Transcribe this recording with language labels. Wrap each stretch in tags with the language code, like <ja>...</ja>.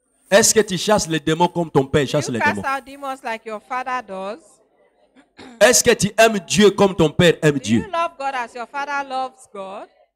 <fr>Est-ce que tu chasses les démons comme ton père chasse les démons?</fr> <en>Do you cast out demons like your father does?</en> <fr>Est-ce que tu aimes Dieu comme ton père aime</fr> <en>do</en> <fr>Dieu?</fr> <en>Do you love God as your father loves God?</en>